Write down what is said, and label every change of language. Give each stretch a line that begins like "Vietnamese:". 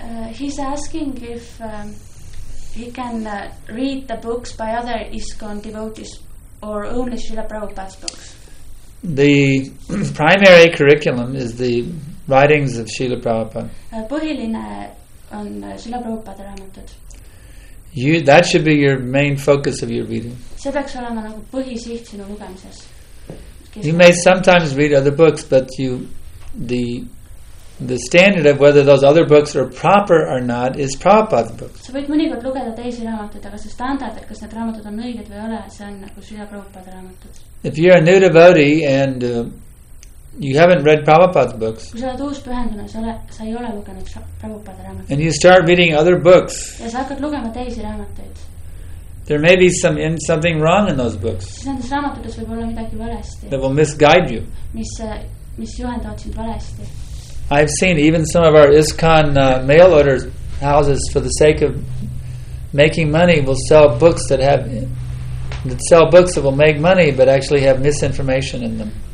English: He's asking if he can read the books by other ISKCON devotees or only Srila Prabhupada's books. The primary curriculum is the writings of Srila Prabhupada.
Estonian: Põhiline on Srila Prabhupada raamatud.
English: That should be your main focus of your reading.
Estonian: See peaks olema nagu põhisiht sinu lugemises.
English: You may sometimes read other books, but the standard of whether those other books are proper or not is Prabhupada's book.
Estonian: Sa võid mõnikord lugeda teisi raamatud, aga see standard, et kas need raamatud on õiged või ole, see on nagu Srila Prabhupada raamatud.
English: If you're a new devotee and You haven't read Prabhupada's books.
Estonian: Kui sa oled uus pühendunud, sa ei ole lugenud Prabhupada raamatuid.
English: And you start reading other books.
Estonian: Ja sa hakkad lugema teisi raamatuid.
English: There may be something wrong in those books.
Estonian: Siis nendes raamatudes võib olla midagi valesti.
English: That will misguide you.
Estonian: Mis juhendavad sind valesti.
English: I've seen even some of our ISKCON mail order houses for the sake of making money will sell books that will make money but actually have misinformation in them.